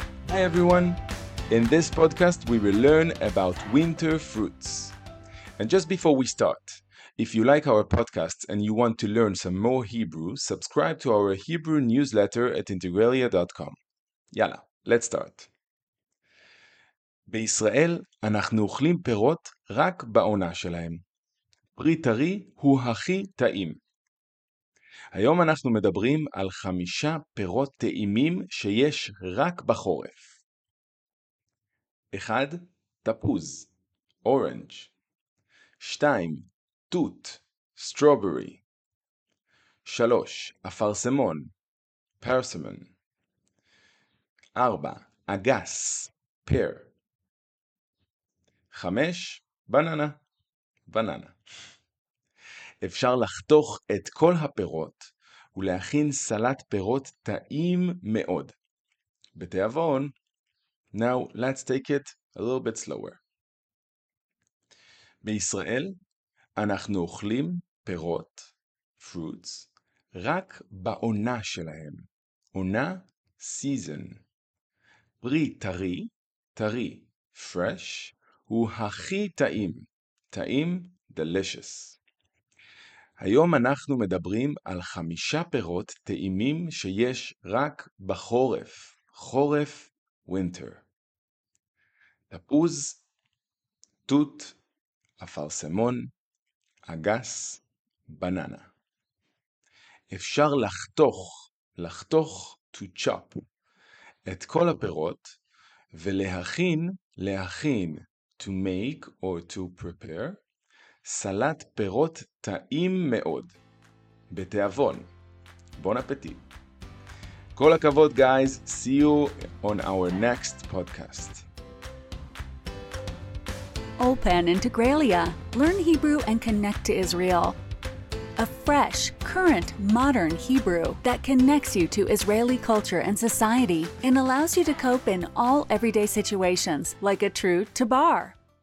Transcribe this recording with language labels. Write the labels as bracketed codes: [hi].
[en] Hi everyone. In this podcast, we will learn about winter fruits. And just before we start, if you like our podcast and you want to learn some more Hebrew, subscribe to our Hebrew newsletter at integralia.com. Yala, let's start. [he] בישראל אנחנו אוכלים פירות רק בעונה שלהם. פרי טרי הוא הכי טעים. היום אנחנו מדברים על חמישה פירות טעימים שיש רק בחורף. 1. תפוז, אורנג'. 2. תות, סטרוברי. 3. אפרסמון, פרסמון. 4. אגס, פר. 5. בננה, בננה. אפשר לחתוך את כל הפירות ולהכין סלט פירות טעים מאוד. בתיאבון. [en] Now let's take it a little bit slower. [he] בישראל אנחנו אוכלים פירות, fruits, רק בעונה שלהם. עונה, season. פרי טרי, טרי, fresh, הוא הכי טעים. טעים, delicious. היום אנחנו מדברים על חמישה פירות טעימים שיש רק בחורף. חורף, winter. תפוז, תות, אפרסמון, אגס, בננה. אפשר לחתוך, לחתוך, to chop, את כל הפירות ולהכין, להכין, [en] to make or to prepare, [he] סלט פירות טעים מאוד. בתיאבון. Bon appetit. כל הכבוד, guys. [en] See you on our next podcast. Ulpan Integraliah. Learn Hebrew and connect to Israel. A fresh, current, modern Hebrew that connects you to Israeli culture and society and allows you to cope in all everyday situations like a true tabar.